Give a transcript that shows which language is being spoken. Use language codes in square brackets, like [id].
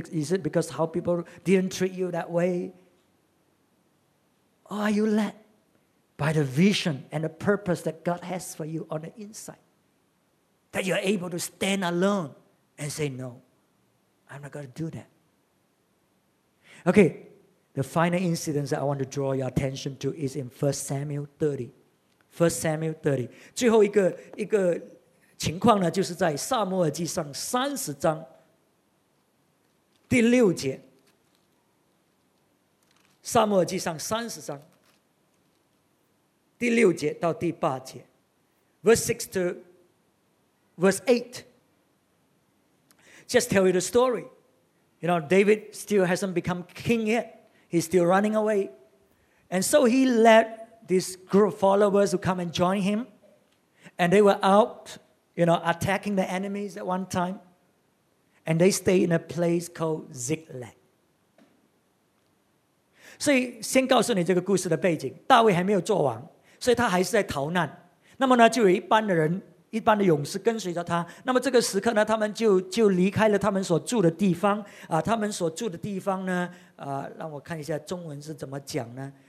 [en] Is it because how people didn't treat you that way? Or are you led by the vision and the purpose that God has for you on the inside? That you're able to stand alone and say, no, I'm not going to do that. Okay, the final incident that I want to draw your attention to is in 1 Samuel 30. 1 Samuel 30. [zh] 最后一个情况呢，就是在撒母耳记上30章第六节。撒母耳记上30章第六节到第八节。 [en] Verse 6 to verse 8. Just tell you the story. You know, David still hasn't become king yet. He's still running away. And so he led this group of followers to come and join him. And they were out, you know, attacking the enemies at one time. And they stayed in a place called Ziklag. [zh] 所以先告诉你这个故事的背景。大卫还没有做王，所以他还是在逃难。那么呢，就有一般的人，一般的勇士跟随着他，那么这个时刻呢，他们就离开了他们所住的地方啊。他们所住的地方呢，啊，让我看一下中文是怎么讲呢？